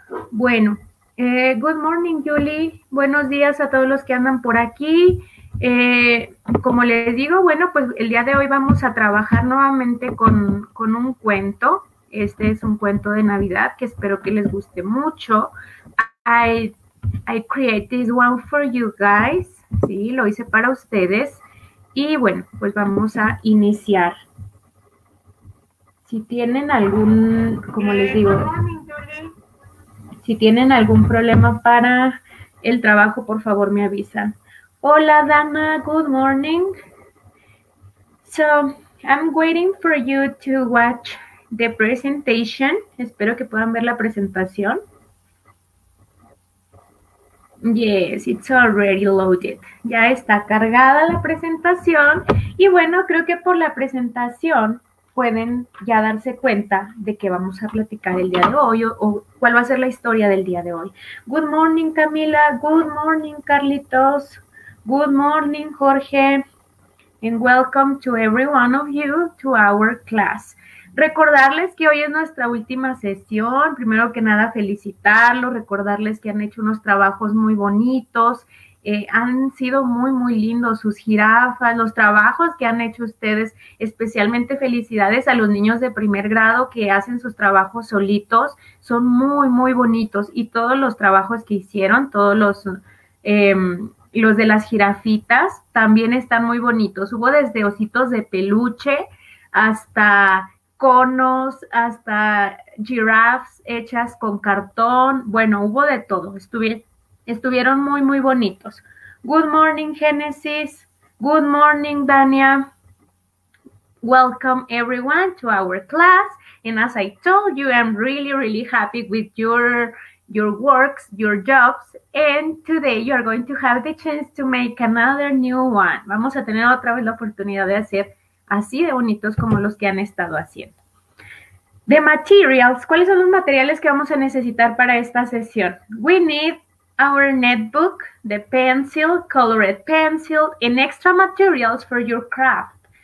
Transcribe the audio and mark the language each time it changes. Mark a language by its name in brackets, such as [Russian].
[Spanish] Bueno, [English] good morning, [Spanish] Julie. Buenos días a todos los que andan por aquí. Como les digo, bueno, pues el día de hoy vamos a trabajar nuevamente con un cuento. Este es un cuento de Navidad que espero que les guste mucho. [English] I create this one for you guys. [Spanish] Sí, lo hice para ustedes. Y bueno, pues vamos a iniciar. Si tienen algún, como les digo, si tienen algún problema para el trabajo, por favor me avisan. Hola, [English] Dana. Good morning. So, I'm waiting for you to watch the presentation. [Spanish] Espero que puedan ver la presentación. [English] Yes, it's already loaded. [Spanish] Ya está cargada la presentación. Y bueno, creo que por la presentación pueden ya darse cuenta de qué vamos a platicar el día de hoy o cuál va a ser la historia del día de hoy. [English] Good morning, Camila. Good morning, Carlitos. Good morning, Jorge, and welcome to every one of you to our class. [Spanish] Recordarles que hoy es nuestra última sesión. Primero que nada, felicitarlos, recordarles que han hecho unos trabajos muy bonitos, han sido muy, muy lindos sus jirafas, los trabajos que han hecho ustedes. Especialmente felicidades a los niños de primer grado que hacen sus trabajos solitos. Son muy, muy bonitos y todos los trabajos que hicieron, todos los de las jirafitas también están muy bonitos. Hubo desde ositos de peluche hasta conos, hasta jirafas hechas con cartón. Bueno, hubo de todo. Estuvieron muy, muy bonitos. [English] Good morning, Genesis. Good morning, Dania. Welcome, everyone, to our class. And as I told you, I'm really, really happy with your works, your jobs, and today you are going to have the chance to make another new one. [Spanish] Vamos a tener otra vez la oportunidad de hacer así de bonitos como los que han estado haciendo. [English] The materials, [Spanish] ¿cuáles son los materiales que vamos a necesitar para esta sesión? [English] We need our notebook, the pencil, colored pencil, and extra materials for your craft.